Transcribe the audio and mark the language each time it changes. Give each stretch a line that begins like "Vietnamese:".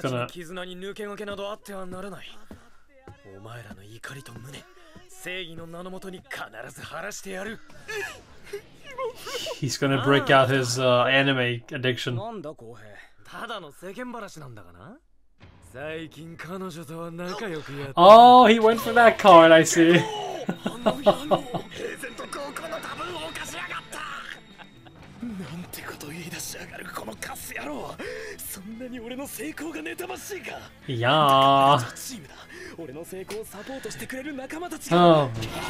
Japanese: 俺たちの絆に抜け駆けなどあってはならない。お前らの怒りと無念、正義の名のもとに必ず晴らしてやる。
English: He's gonna break out his anime addiction.
Japanese: なんだ公平、ただの世間話なんだかな。最近彼女とは仲良くやった。
English: Oh, he went for that card, I see.
Japanese: あの野郎、平然と高校のタブーを犯しやがった。なんてこと言い出しやがるこのカス野郎。そんなに俺の成功が妬ましいか。いやー、チームだ。俺の成功をサポートしてくれる仲間たちが。
English: Oh my god.